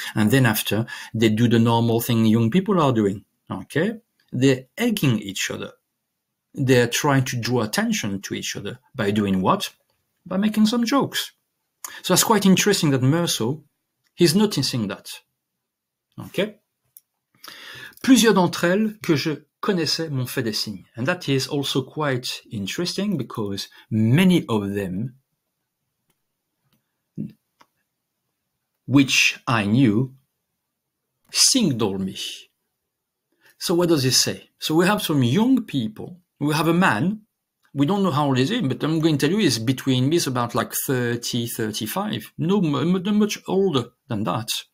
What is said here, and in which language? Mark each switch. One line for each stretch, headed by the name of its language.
English: And then after, they do the normal thing young people are doing. Okay. They're egging each other. They're trying to draw attention to each other by doing what? By making some jokes. So that's quite interesting that Meursault, he's noticing that. Okay.
French: Plusieurs d'entre elles que je connaissais m'ont fait des signes.
English: And that is also quite interesting because many of them, which I knew, signaled me. So what does it say? So we have some young people. We have a man. We don't know how old is he, but I'm going to tell you he's between me, he's about like 30, 35. No, much older than that.